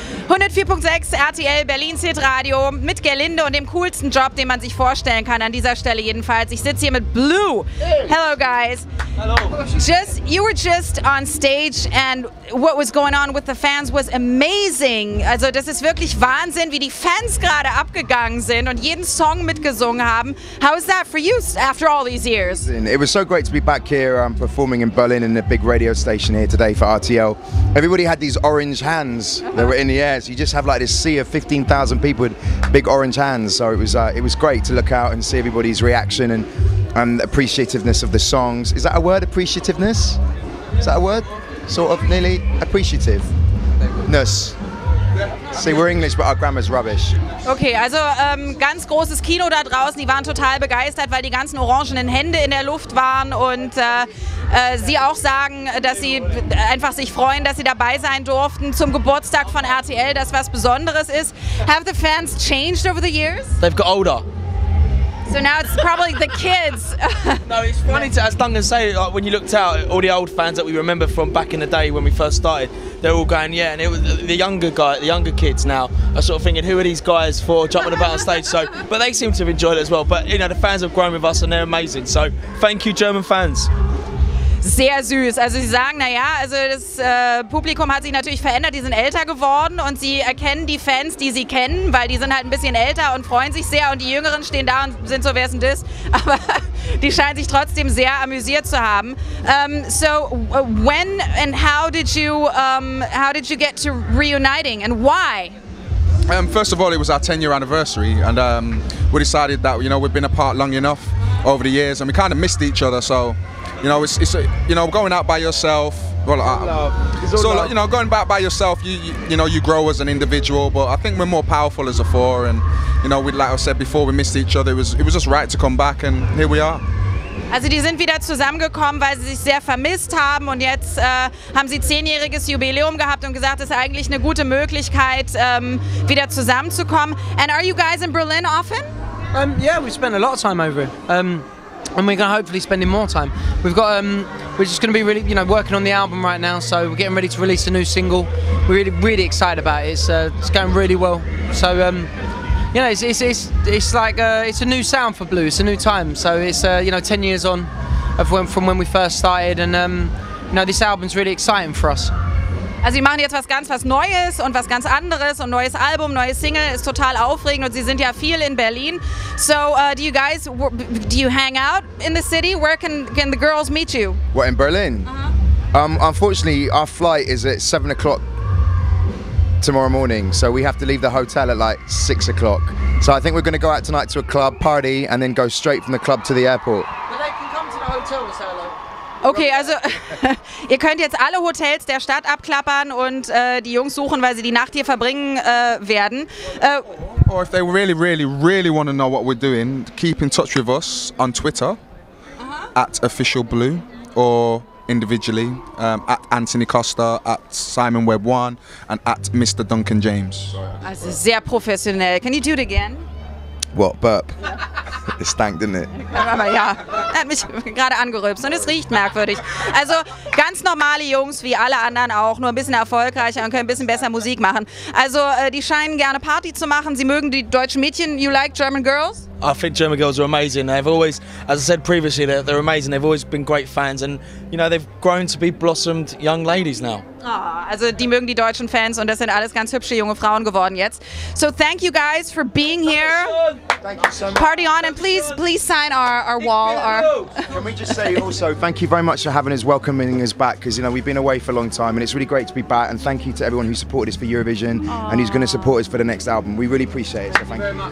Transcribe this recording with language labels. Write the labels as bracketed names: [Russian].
[German] 104.6 RTL Berlin City Radio mit Gerlinde und dem coolsten Job, den man sich vorstellen kann, an dieser Stelle jedenfalls. Ich sitze hier mit Blue. [English] Hello, guys. Hello. Just, you were just on stage and what was going on with the fans was amazing. [German] Also das ist wirklich Wahnsinn, wie die Fans gerade abgegangen sind und jeden Song mitgesungen haben. [English] How is that for you after all these years? It was so great to be back here performing in Berlin in the big radio station here today for RTL. Everybody had these orange hands that were in the air. So you just have like this sea of 15,000 people with big orange hands. So it was great to look out and see everybody's reaction and appreciativeness of the songs. Is that a word, appreciativeness? Is that a word? Sort of, nearly, appreciativeness. See, we're English, but our grammar's rubbish. [German] Okay, also ganz großes Kino da draußen. Die waren total begeistert, weil die ganzen orangenen Hände in der Luft waren. Und sie auch sagen, dass sie einfach sich freuen, dass sie dabei sein durften zum Geburtstag von RTL, das was Besonderes ist. [English] Have the fans changed over the years? They've got older. So now it's probably the kids. No, it's funny to, as Duncan say, like when you looked out, all the old fans that we remember from back in the day when we first started, they're all going, yeah, and it was the younger kids now are sort of thinking, who are these guys for jumping about on stage? So, but they seem to have enjoyed it as well. But you know, the fans have grown with us and they're amazing. So thank you, German fans. [German] Sehr süß. Also sie sagen, naja, also das Publikum hat sich natürlich verändert, die sind älter geworden und sie erkennen die Fans, die sie kennen, weil die sind halt ein bisschen älter und freuen sich sehr und die Jüngeren stehen da und sind so, wer ist denn das? Aber die scheinen sich trotzdem sehr amüsiert zu haben. [English] So when and how did you get to reuniting and why? First of all, it was our 10-year anniversary and we decided that, you know, we've been apart long enough over the years and we kind of missed each other, so... You know, it's you know, going out by yourself. Well, it's all love. You know, going back by yourself, you know, you grow as an individual. But I think we're more powerful as a four. And you know, we, like I said before, we missed each other. It was just right to come back, and here we are. [German] Also, die sind wieder zusammengekommen, weil sie sich sehr vermisst haben. Und jetzt haben sie 10-jähriges Jubiläum gehabt und gesagt, es ist eigentlich eine gute Möglichkeit, wieder zusammenzukommen. [English] And are you guys in Berlin often? Yeah, we spend a lot of time over. And we're going to hopefully spend more time. We've got, we're just going to be really, you know, working on the album right now, so we're getting ready to release a new single. We're really, really excited about it. It's going really well. So, you know, it's like it's a new sound for Blue. It's a new time. So it's, you know, 10 years on from when we first started. And, you know, this album's really exciting for us. [German] Also sie machen jetzt was Neues und was ganz anderes und neues Album, neue Single, ist total aufregend und sie sind ja viel in Berlin. [English] So, do you hang out in the city? Where can the girls meet you? What, in Berlin? Uh-huh. Unfortunately, our flight is at 7 o'clock tomorrow morning, so we have to leave the hotel at like 6 o'clock. So I think we're going to go out tonight to a club party and then go straight from the club to the airport. But they can come to the hotel and say hello. [German] Okay, also ihr könnt jetzt alle Hotels der Stadt abklappern und die Jungs suchen, weil sie die Nacht hier verbringen werden. [English] Or if they really, really, really want to know what we're doing, keep in touch with us on Twitter, at @officialblue, or individually, at Anthony Costa, at SimonWeb1, and at Mr. Duncan James. [German] Also sehr professionell. [English] Can you do it again? What, burp? [German] Es stank, [English] didn't it? [German] Aber ja, er hat mich gerade angerülpst und es riecht merkwürdig. Also ganz normale Jungs, wie alle anderen auch, nur ein bisschen erfolgreicher und können ein bisschen besser Musik machen. Also die scheinen gerne Party zu machen, sie mögen die deutschen Mädchen. [English] You like German girls? I think German girls are amazing. They've always, as I said previously, they're amazing. They've always been great fans and, you know, they've grown to be blossomed young ladies now. [German] Oh, also die mögen die deutschen Fans und das sind alles ganz hübsche junge Frauen geworden jetzt. [English] So thank you guys for being here. Thank you so much. Party on and please sign our wall. Can we just say also thank you very much for having us, welcoming us back, because you know we've been away for a long time and it's really great to be back, and thank you to everyone who supported us for Eurovision. Aww. And who's going to support us for the next album. We really appreciate it. So thank you.